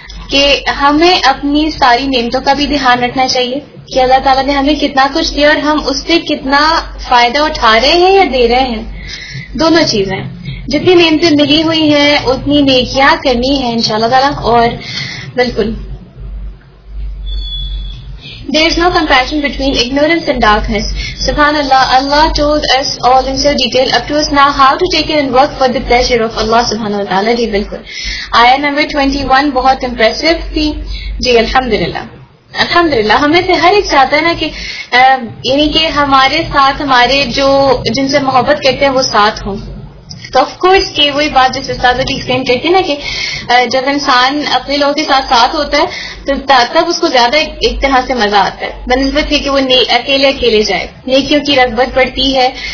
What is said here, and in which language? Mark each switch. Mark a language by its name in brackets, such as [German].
[Urdu] کہ ہمیں اپنی ساری نعمتوں کا بھی دھیان رکھنا چاہیے کہ اللہ تعالیٰ نے ہمیں کتنا کچھ دیا اور ہم اس سے کتنا فائدہ اٹھا رہے ہیں یا دے رہے ہیں دونوں چیزیں جتنی نعمتیں ملی ہوئی ہیں اتنی نیکیاں کرنی ہیں ان شاء اللہ تعالیٰ اور بالکل [English] There is no compassion between ignorance and darkness. Subhanallah, Allah told us all in so detail up to us now how to take it and work for the pleasure of Allah subhanahu wa ta'ala. [Urdu] Ji, bilkul. Ayah number 21, bahut impressive thi. Ji, alhamdulillah. الحمدللہ ہمیں سے ہر ایک چاہتا ہے نا کہ یعنی کہ ہمارے ساتھ ہمارے جو جن سے محبت کرتے ہیں وہ ساتھ ہوں تو آف کورس کہ وہی بات جس استاذہ جی ایکسپلین کرتی ہے نا کہ جب انسان اپنے لوگوں کے ساتھ ساتھ ہوتا ہے تو تب اس کو زیادہ ایک طرح سے مزہ آتا ہے بنسبت یہ کہ وہ اکیلے اکیلے جائے نیکیوں کی رغبت بڑھتی ہے